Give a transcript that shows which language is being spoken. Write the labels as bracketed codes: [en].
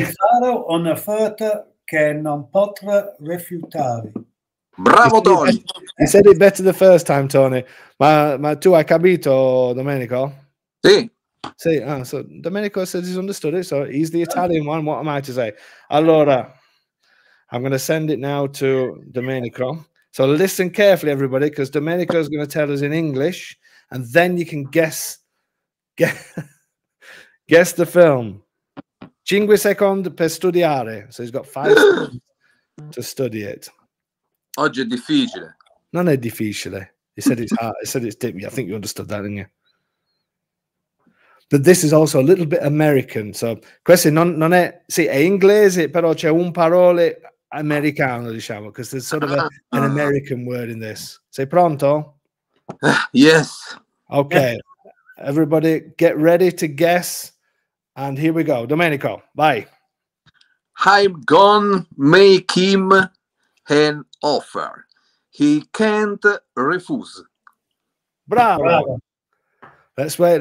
[it] Gli farò un'offerta che non potrà rifiutare. Bravo, Tony! [en] You said it better the first time, Tony. [it] Ma tu hai capito, Domenico? Sì. [en] Sì, ah, so Domenico says he's understood it, so he's the Italian one. What am I to say? Allora, I'm going to send it now to Domenico. So listen carefully, everybody, because Domenico is going to tell us in English, and then you can guess the film. [it] Cinque secondi per studiare. [en] So he's got 5 seconds to study it. [it] Oggi è difficile. Non è difficile. [en] He said it's hard. He said it's deep. I think you understood that, didn't you? But this is also a little bit American. [it] So questo non è, sì, è inglese, però c'è un parole americano, diciamo, [en] because there's sort of an American word in this. [it] Sei pronto? [en] Yes. Okay. Everybody get ready to guess. And here we go. Domenico, vai. I'm gone, make him an offer. He can't refuse. Bravo. Let's wait.